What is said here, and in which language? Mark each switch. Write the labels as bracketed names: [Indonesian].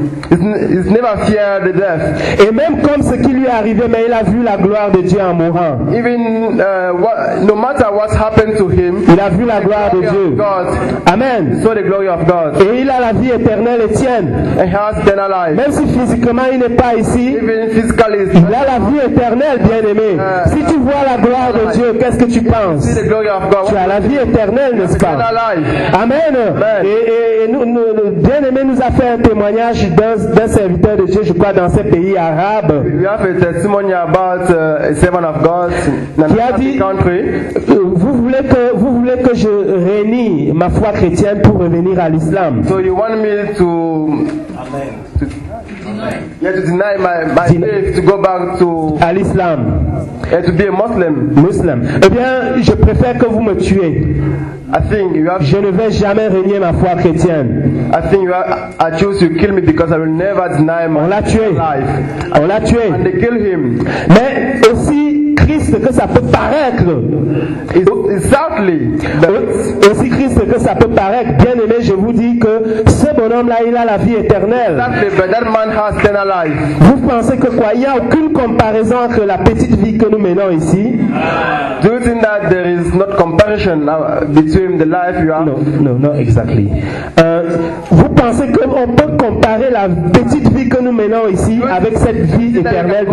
[English] He's never feared the death. [French] Et même comme ce qui lui est arrivé, mais il a vu la gloire de Dieu en mourant. [English] Even no matter what happened to him, [French] il a vu la gloire de Dieu. [English] God. Amen. He saw the glory of God. [French] Et il a la vie éternelle, Étienne. [English] He has eternal life. [French] Même si physiquement il n'est pas ici, [English] even physically, [French] il a la vie éternelle, bien-aimé. Si tu vois la gloire de Dieu, qu'est-ce que tu penses? Tu as la vie éternelle, n'est-ce pas? Amen. Et nous, bien-aimé nous a fait un témoignage d'un serviteur de Dieu, je crois, dans ces pays arabes. [English] We have a testimony about a servant of God in another country. [French] Vous voulez que je réunisse ma foi chrétienne pour revenir à l'islam? [English] So you want me to... Amen. To deny my faith, to go back to [French] à l'islam, [English] and to be a Muslim. [French] Eh bien, je préfère que vous me tuez. [English] I think you have. [French] Je ne vais jamais renier ma foi chrétienne. [English] I think you have. I choose to kill me because I will never deny my life. [French] On l'a tué. [English] And they kill him. [French] Mais aussi triste que ça peut paraître. [English] Exactly. [French] Aussi triste que ça peut paraître, bien aimé, je vous dis que ce bonhomme-là, il a la vie éternelle. [English] Exactly, but that man has eternal life. [French] Vous pensez que quoi? Il n'y a aucune comparaison entre la petite vie que nous menons ici. [English] Do you think that there is not comparison between the life you have? No, exactly. [French] Vous pensez qu'on peut comparer la petite vie que nous menons ici avec cette vie éternelle de